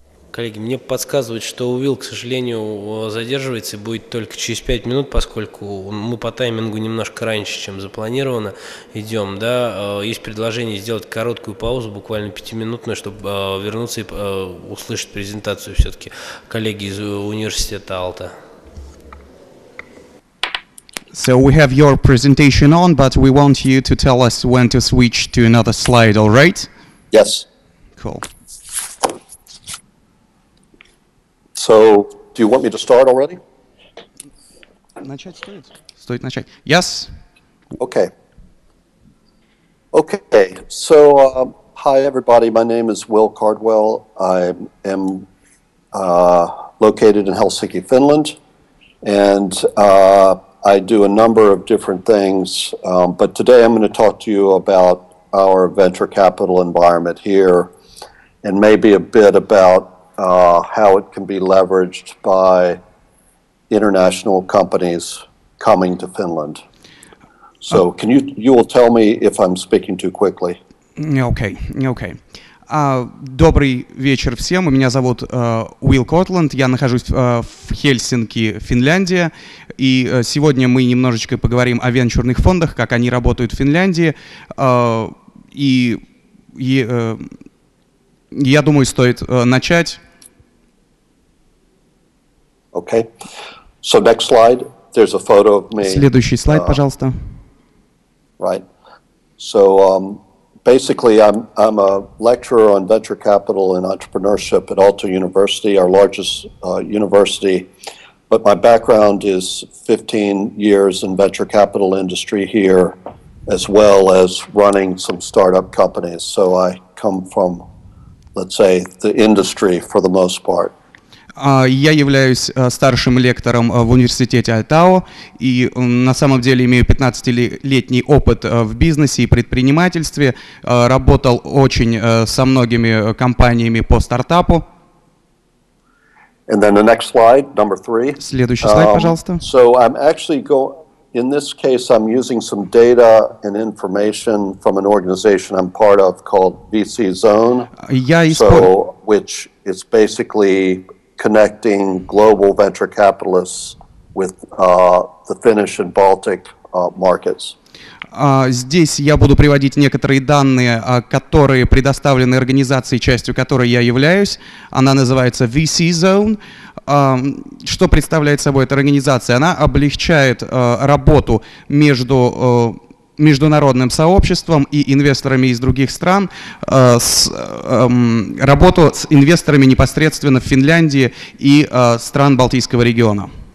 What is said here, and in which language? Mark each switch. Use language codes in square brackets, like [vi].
[ru] коллеги, мне подсказывают, что Уилл, к сожалению, задерживается и будет только через 5 минут, поскольку мы по таймингу немножко раньше, чем запланировано, идем. Да? Есть предложение сделать короткую паузу, буквально 5-минутную, чтобы вернуться и услышать презентацию все-таки коллеги из университета Алта. [en] So we have your presentation on, but we want you to tell us when to switch to another slide, all right? Yes. Cool. So, do you want me to start already? [ru] Начать стоит. Стоит начать. [en] Yes. Okay. Okay. So, hi everybody. My name is Will Cardwell. I am located in Helsinki, Finland, and I do a number of different things, but today I'm going to talk to you about our venture capital environment here and maybe a bit about how it can be leveraged by international companies coming to Finland. So can you will tell me if I'm speaking too quickly. Okay, okay. [ru] Добрый вечер всем. Меня зовут Уилл Котланд. Я нахожусь в Хельсинки, Финляндия. И сегодня мы немножечко поговорим о венчурных фондах, как они работают в Финляндии. И я думаю, стоит начать. [en] Okay. So next slide. There's a photo of me. [ru] Следующий слайд, пожалуйста. [en] Right. So, basically, I'm a lecturer on venture capital and entrepreneurship at Aalto University, our largest university. But my background is 15 years in venture capital industry here, as well as running some startup companies. So I come from, let's say, the industry for the most part. [ru] Я являюсь старшим лектором в университете Aalto и на самом деле имею 15-летний опыт в бизнесе и предпринимательстве. Работал очень со многими компаниями по стартапу. [en] And then the next slide, number three. [ru] Следующий слайд, пожалуйста. [en] So I'm actually in this case I'm using some data and information from an organization I'm part of called VC Zone. Which is basically connecting global venture capitalists with the Finnish and Baltic markets. [ru] Здесь я буду приводить некоторые данные, которые предоставлены организацией, частью которой я являюсь. Она называется VC Zone. Что представляет собой эта организация? Она облегчает работу между международным сообществом и инвесторами из других стран, работу с инвесторами непосредственно в Финляндии и стран Балтийского региона.